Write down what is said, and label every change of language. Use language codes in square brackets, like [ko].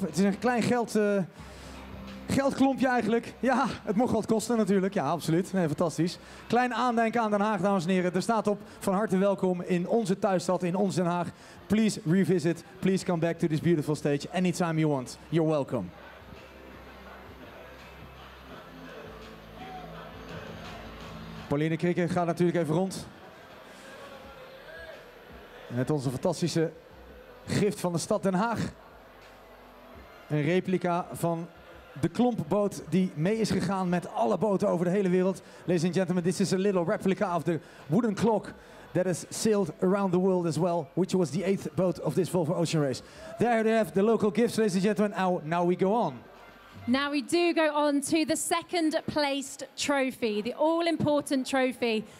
[nl] Het is een klein geldklompje eigenlijk. Ja, het mocht wat kosten natuurlijk. Ja, absoluut. Nee, fantastisch. Klein aandenken aan Den Haag, dames en heren. Er staat op van harte welkom in onze thuisstad, in onze Den Haag. [en] Please revisit. Please come back to this beautiful stage anytime you want. You're welcome. [nl] Pauline Krikke gaat natuurlijk even rond. Met onze fantastische gift van de stad Den Haag. Een replica van de klompboot die mee is gegaan met alle boten over de hele wereld. [en] Ladies and gentlemen, this is a little replica of the wooden clock that has sailed around the world as well, which was the eighth boat of this Volvo Ocean Race. There they have the local gifts, ladies and gentlemen. Now we go on. Now we do go on to the second placed trophy, the all important trophy.